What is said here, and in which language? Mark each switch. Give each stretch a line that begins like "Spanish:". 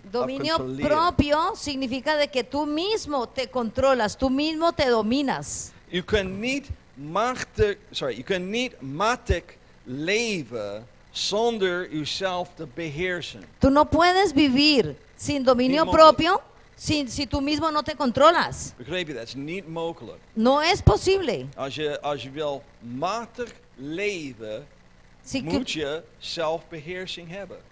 Spanish: Dominio propio significa de que tú mismo te controlas, tú mismo te dominas.
Dutch: U kunt niet matig leven zonder uzelf te beheersen.
Spanish: Tú no puedes vivir sin dominio propio si tú mismo no te controlas.
Dutch: Begrijp je, dat is niet mogelijk.
Spanish: No es posible.
Dutch: Als je wil matig leven, moet je zelfbeheersing hebben.